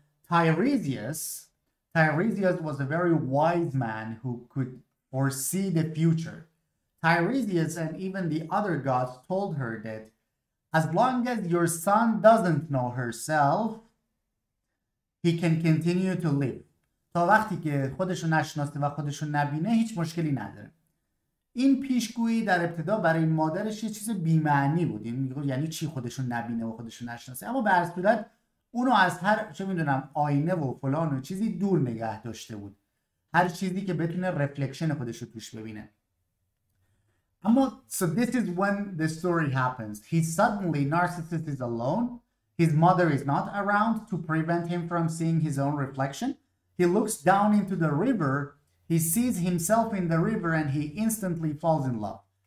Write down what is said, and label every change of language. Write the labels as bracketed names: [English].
[English] And Tiresias was a very wise man who could foresee the future. Tiresias and even the other gods told her that, "As long as your son doesn't know herself, he can continue to live. [Persian] تا وقتی که خودشو نشناسه و خودشو نبینه هیچ مشکلی نداره." این پیشگویی در ابتدا برای مادرش یه چیز بیمعنی بود. این یعنی چی خودشو نبینه و خودشو نشناسه؟ اما به هر صورت اونو از هر چه میدونم آینه و فلان و چیزی دور نگه داشته بود. هر چیزی که بتونه رفلکشن خودشو توش ببینه. اما [English] so this is when the story happens. He suddenly Narcissus is alone. His mother is not around to prevent him from seeing his own reflection. He looks down into the river. He sees himself in the river and he instantly falls in love.